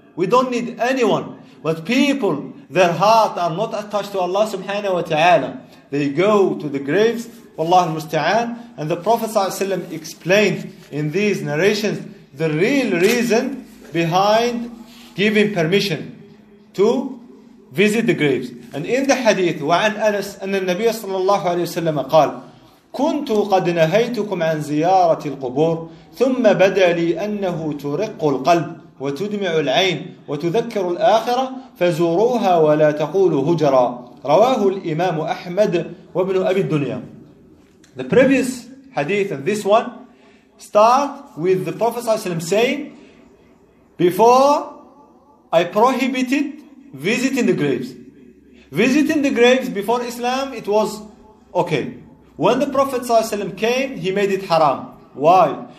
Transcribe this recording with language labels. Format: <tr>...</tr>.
<en>We don't need anyone. But people, their heart are not attached to Allah subhanahu wa ta'ala. They go to the graves,</en> <ar>Allah al-Musta'an.</ar> <en>And the Prophet</en> <ar>sallallahu alayhi wa sallam</ar> <en>explained in these narrations the real reason behind giving permission to visit the graves. And in the hadith,</en> <ar>وَعَنْ أَنَسْ أَنَّ النَّبِيَ صَلَى اللَّهُ عَلَيْهِ وَسَلَّمَ قَالْ كنت قد نهيتكم عن زيارة القبور ثم بدا لي أنه ترق القلب وتدمع العين وتذكر الآخرة فزوروها ولا تقولوا هجرا رواه الإمام أحمد وابن أبي الدنيا.</ar> <en>The previous hadith and this one start with the Prophet ﷺ saying, before I prohibited visiting the graves. Visiting the graves before Islam, it was okay. When the Prophet ﷺ came, he made it haram. Why?</en>